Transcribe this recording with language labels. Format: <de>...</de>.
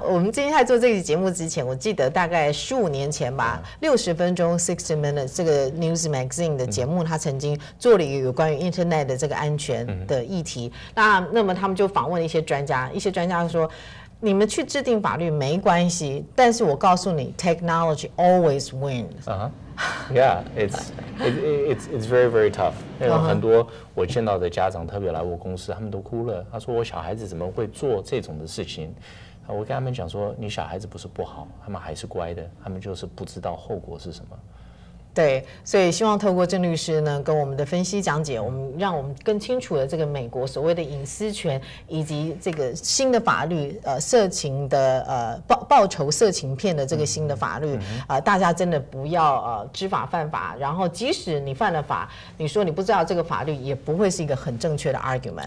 <zh>我们今天在做这期节目之前，我记得大概15年前吧，60分钟 （60 minutes） 这个 News Magazine 的节目，他曾经做了一个有关于 Internet 的这个安全的议题。那么他们就访问了一些专家，一些专家说，你们去制定法律没关系，但是我告诉你 ，</zh> <en>technology always wins。 Yeah, it's very very tough.</en> <zh>因为很多我见到的家长特别来我公司，他们都哭了。他说我小孩子怎么会做这种的事情？我跟他们讲说，你小孩子不是不好，他们还是乖的，他们就是不知道后果是什么。对，所以希望透过郑律师呢跟我们的分析讲解，我们让我们更清楚了这个美国所谓的隐私权，以及这个新的法律，色情的报仇色情片的这个新的法律，大家真的不要知法犯法，然后即使你犯了法，你说你不知道这个法律，也不会是一个很正确的 argument。</zh>